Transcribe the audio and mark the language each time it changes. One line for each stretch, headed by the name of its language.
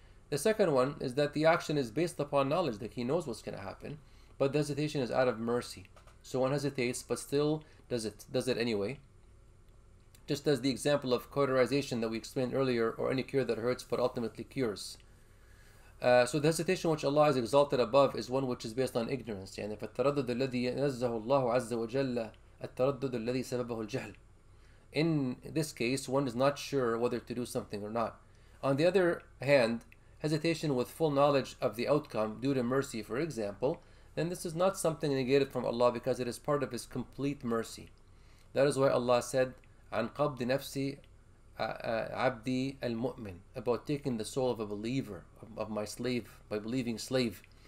English: The second one is that the action is based upon knowledge, that he knows what's going to happen, but the hesitation is out of mercy. So one hesitates, but still does it anyway. Just as the example of cauterization that we explained earlier, or any cure that hurts but ultimately cures. So the hesitation which Allah has exalted above is one which is based on ignorance.
Arabic: يعني فالتردد الذي نزه الله عز وجل التردد الذي سببه الجهل.
English: In this case, one is not sure whether to do something or not. On the other hand, hesitation with full knowledge of the outcome due to mercy, for example, then this is not something negated from Allah because it is part of His complete mercy. That is why Allah said,
Arabic: عَنْ قَبْضِ نَفْسِ عَبْدِي الْمُؤْمِنِ,
English: about taking the soul of a believer, of my slave, my believing slave.